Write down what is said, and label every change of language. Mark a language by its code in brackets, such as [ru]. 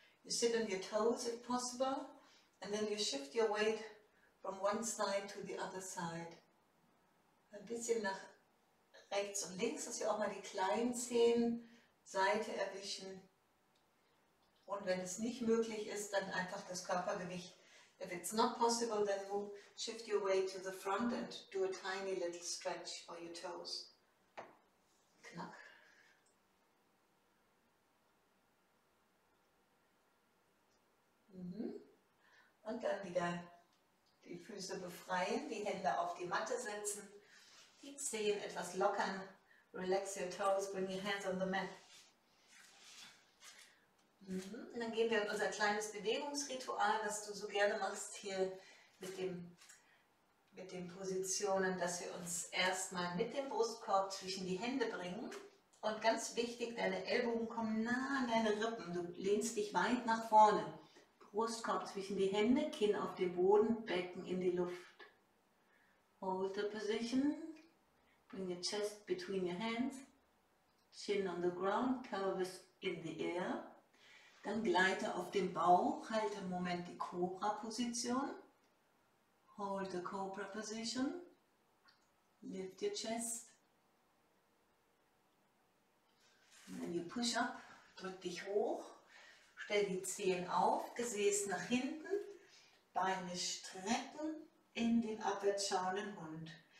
[en] You sit on your toes if possible and then you shift your weight from one side to the other side. [de] Ein bisschen nach rechts und links, dass wir auch mal die kleinen Zehen Seite erwischen. Und wenn es nicht möglich ist, dann einfach das Körpergewicht. [en] If it's not possible, then move, shift your weight to the front and do a tiny little stretch for your toes. Knack. [de] Und dann wieder die Füße befreien, die Hände auf die Matte setzen, die Zehen etwas lockern. [en] Relax your toes, bring your hands on the mat. [de] Und dann gehen wir in unser kleines Bewegungsritual, das du so gerne machst hier mit den Positionen, dass wir uns erstmal mit dem Brustkorb zwischen die Hände bringen. Und ganz wichtig, deine Ellbogen kommen nah an deine Rippen. Du lehnst dich weit nach vorne. Brustkorb zwischen die Hände, Kinn auf den Boden, Becken in die Luft. [en] Hold the position. Bring your chest between your hands. Chin on the ground, pelvis in the air. [de] Dann gleite auf den Bauch, halte im Moment die Cobra-Position. [en] Hold the Cobra position. Lift your chest. And then you push up, [de] drück dich hoch, stell die Zehen auf, Gesäß nach hinten, Beine strecken in den abwärts schauenden Hund.